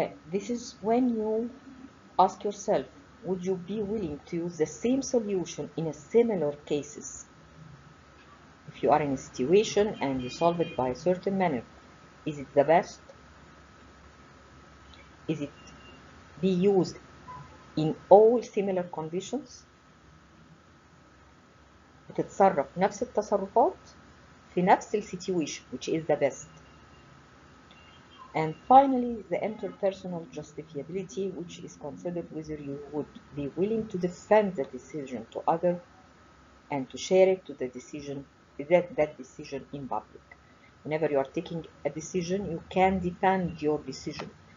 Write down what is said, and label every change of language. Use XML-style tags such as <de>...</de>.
<en>This is when you ask yourself, would you be willing to use the same solution in a similar cases? If you are in a situation and you solve it by a certain manner, is it the best? Is it be used in all similar conditions?</en> <ar>تتصرف نفس التصرفات في نفس الـ situation,</ar> <en>which is the best. And finally, the interpersonal justifiability, which is considered whether you would be willing to defend the decision to others and to share it to the decision, that decision in public. Whenever you are taking a decision, you can defend your decision.</en>